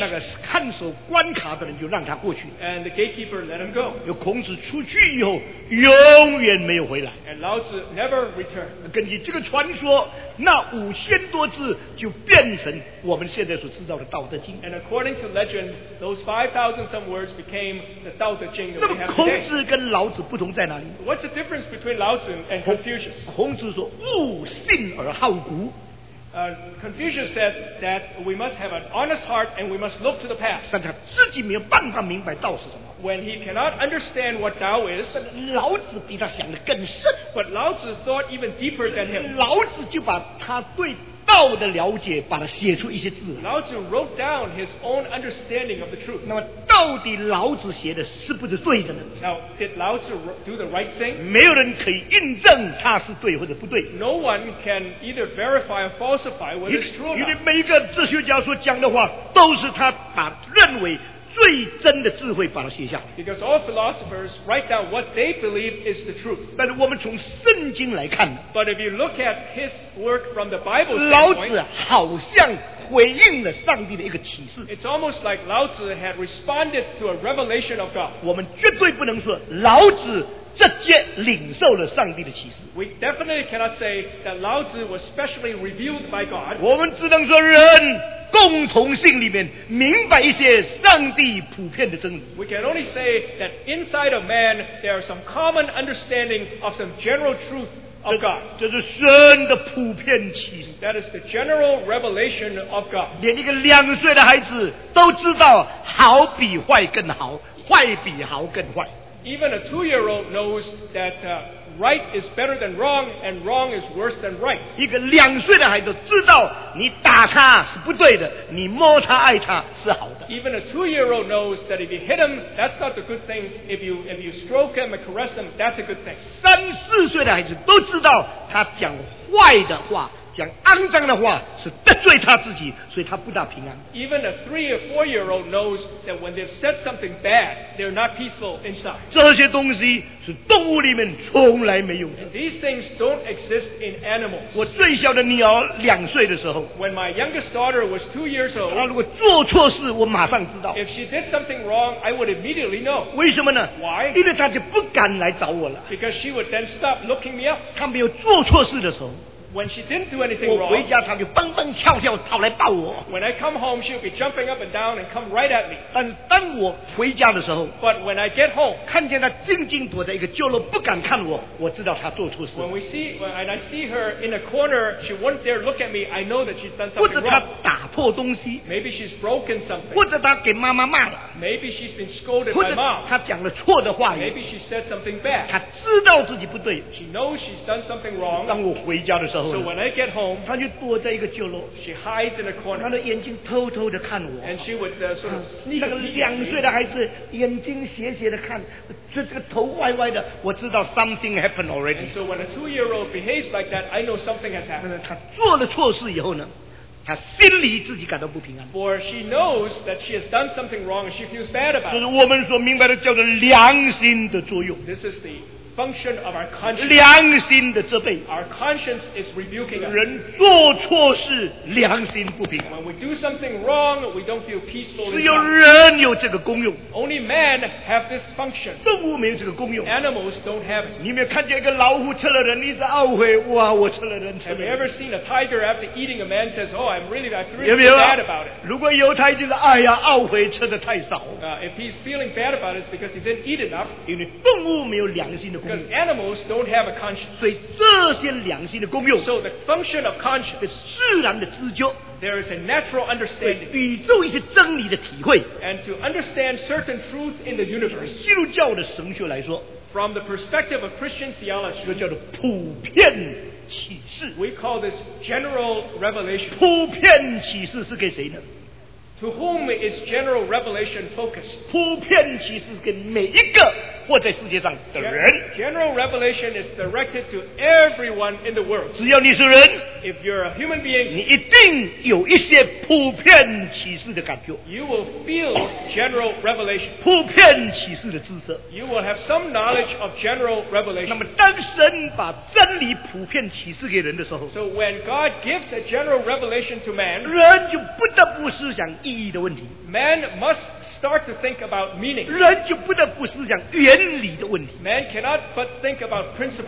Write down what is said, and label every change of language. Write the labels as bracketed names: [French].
[Chinese] 那个看守关卡的人就让他过去。 [English] And the gatekeeper let him go. [Chinese] 有孔子出去以后永远没有回来。 [English] And Lao Tzu never returned. [Chinese] 根据这个传说，那五千多字就变成我们现在所知道的道德经。 [English] And according to legend, those 5,000 some words became the 道德经。 [Chinese] 那么孔子跟老子不同在哪里？ [English] What's the difference between Lao Tzu and Confucius? [Chinese] 孔子说悟性而好古。 [English] Confucius said that we must have an honest heart and we must look to the past. [Chinese] 但他自己没有办法明白道是什么。 [English] When he cannot understand what Tao is, [Chinese] 老子比他想得更深。 [English] But Lao Tzu thought even deeper than him. [Chinese] 老子就把他对道的了解把它写出一些字。 [English] Lao Tzu wrote down his own understanding of the truth. [Chinese] 那么到底老子写的是不是对的呢？ [English] Now, did Lao Tzu do the right thing? [Chinese] 没有人可以印证他是对或者不对。 [English] No one can either verify or falsify whether it's true or not. [Chinese] 因为每一个哲学家所讲的话都是他把认为最真的智慧把它写下。 [English] Because all philosophers write down what they believe is the truth. [Chinese] 但是我们从圣经来看， [English] But if you look at his work from the Bible standpoint, [Chinese] 老子好像回应了上帝的一个启示。 [English] It's almost like Lao Tzu had responded to a revelation of God. [Chinese] 我们绝对不能说老子直接领受了上帝的启示。 [English] We definitely cannot say that Lao Tzu was specially revealed by God. [Chinese] 我们只能说人共同性里面明白一些上帝普遍的真理。 [English] We can only say that inside of man there are some common understanding of some general truth of God. [Chinese] 这是神的普遍启示。 [English] That is the general revelation of God. [Chinese] 连一个两岁的孩子都知道好比坏更好，坏比好更坏。 [English] Even a two-year-old knows that right is better than wrong, and wrong is worse than right. [Chinese] 一个两岁的孩子知道你打他是不对的，你摸他爱他是好的。 [English] Even a two-year-old knows that if you hit him, that's not the good thing. If you stroke him and caress him, that's a good thing. [Chinese] 三四岁的孩子都知道他讲坏的话，讲肮脏的话是得罪他自己，所以他不大平安。 [English] Even a 3 or 4 year old knows that when they've said something bad, they're not peaceful inside. [Chinese] 这些东西是动物里面从来没有的。 [English] And these things don't exist in animals. [Chinese] 我最小的女儿两岁的时候， [English] When my youngest daughter was 2 years old, [Chinese] 她如果做错事，我马上知道。 [English] If she did something wrong, I would immediately know. [Chinese] 为什么呢？ [English] Why? [Chinese] 因为她就不敢来找我了。 [English] Because she would then stop looking me up. [Chinese] 她没有做错事的时候。 [English] When she didn't do anything wrong, [Chinese] 我回家她就蹦蹦跳跳跑来抱我。 [English] When I come home, she'll be jumping up and down and come right at me. [Chinese] 但当我回家的时候， [English] But when I get home, [Chinese] 看见她静静躲在一个角落不敢看我，我知道她做错事。 [English] When we see, and I see her in a corner, she won't dare look at me, I know that she's done something wrong. [Chinese] 或者她打破东西， [English] Maybe she's broken something. [Chinese] 或者她给妈妈骂了， [English] Maybe she's been scolded by mom. [Chinese] 或者她讲了错的话语， [English] Maybe she said something bad. [Chinese] 她知道自己不对， [English] She knows she's done something wrong. [Chinese] 当我回家的时候， [English] So when I get home, [Chinese] 她就躲在一个角落， [English] she hides in a corner. [Chinese] 她的眼睛偷偷的看我， [English] and she would sort of sneak. [Chinese] 那个两岁的孩子眼睛斜斜的看，这个头歪歪的，我知道 [English] something happened already. And so when a 2 year old behaves like that, I know something has happened. [Chinese] 她做了错事以后呢，她心里自己感到不平安。 [English] For she knows that she has done something wrong and she feels bad about it. [Chinese] 这是我们所明白的叫做良心的作用。 [English] This is the function of our conscience. [Chinese] 良心的责备。 [English] Our conscience is rebuking us. [Chinese] 人做错事，良心不平安。 [English] When we do something wrong, we don't feel peaceful. [Chinese] 只有人有这个功用。 [English] Only men have this function. [Chinese] 动物没有这个功用。 [English] Animals don't have it. [Chinese] 你没有看见一个老虎吃了人，一直懊悔，哇，我吃了人。 [English] Have you ever seen a tiger after eating a man says, "Oh, I'm really bad about it"? [Chinese] 如果有，他已经是哎呀，懊悔吃的太少。 [English] If he's feeling bad about it, it's because he didn't eat enough. [Chinese] 因为动物没有良心的。 [English] Because animals don't have a conscience. [Chinese] 所以这些良心的功用 [English] So the function of conscience [Chinese] is 自然的知觉 [English] There is a natural understanding. [Chinese] 对宇宙一些真理的体会 [English] And to understand certain truth in the universe. [Chinese] 基督教的神学来说 [English] From the perspective of Christian theology. [Chinese] 这个叫做普遍启示 [English] We call this general revelation. [Chinese] 普遍启示是给谁呢？ [English] To whom is general revelation focused? [Chinese] 普遍启示给每一个活在世界上的人。 [English] General revelation is directed to everyone in the world. [Chinese] 只要你是人 [English] if you're a human being, [Chinese] 你一定有一些普遍启示的感觉。 [English] You will feel general revelation. [Chinese] 普遍启示的知识。 [English] You will have some knowledge of general revelation. [Chinese] 那么当神把真理普遍启示给人的时候 [English] So when God gives a general revelation to man, [Chinese] 人就不得不思想意义的问题。 [English] Man must start to think about meaning. [Chinese] 人就不得不思想原理的问题。 [English] Man cannot but think about principles.